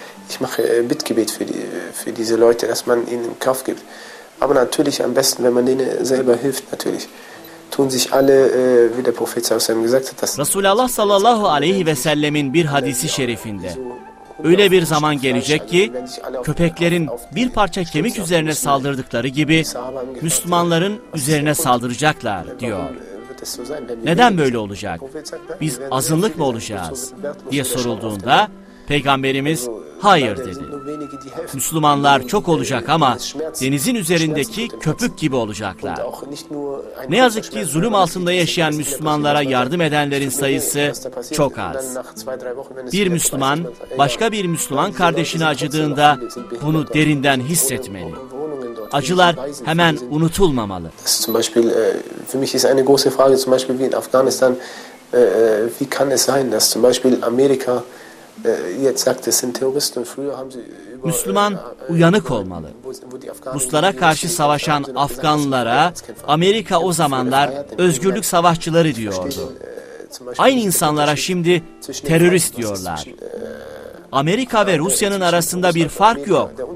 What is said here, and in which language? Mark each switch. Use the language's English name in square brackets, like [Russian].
[German] Ich mache Bittgebet für diese Leute, dass man ihnen Kraft gibt. Aber natürlich am besten, wenn man ihnen selber hilft, natürlich. Tun sich alle, wie der Prophet sallallahu aleyhi ve sellem gesagt hat. [Turkish] Resulullah sallallahu aleyhi ve sellemin bir hadisi şerifinde, öyle bir zaman gelecek ki köpeklerin bir parça kemik üzerine saldırdıkları gibi Müslümanların üzerine saldıracaklar diyor. Neden böyle olacak? Biz azınlık mı olacağız diye sorulduğunda Peygamberimiz hayır dedi. Müslümanlar çok olacak ama denizin üzerindeki köpük gibi olacaklar. Ne yazık ki zulüm altında yaşayan Müslümanlara yardım edenlerin sayısı çok az. Bir Müslüman başka bir Müslüman kardeşini acıdığında bunu derinden hissetmeli. Acılar hemen unutulmamalı. [German] Zum Beispiel für mich ist eine große Frage, zum Beispiel wie in Afghanistan, wie kann es sein, dass zum Beispiel Amerika jetzt sagt, es sind Terroristen. Früher haben sie [Turkish] Müslüman uyanık olmalı. Ruslara karşı savaşan Afganlara Amerika o zamanlar özgürlük savaşçıları diyordu. Aynı insanlara şimdi terörist diyorlar. Amerika ve Rusya'nın arasında bir fark yok.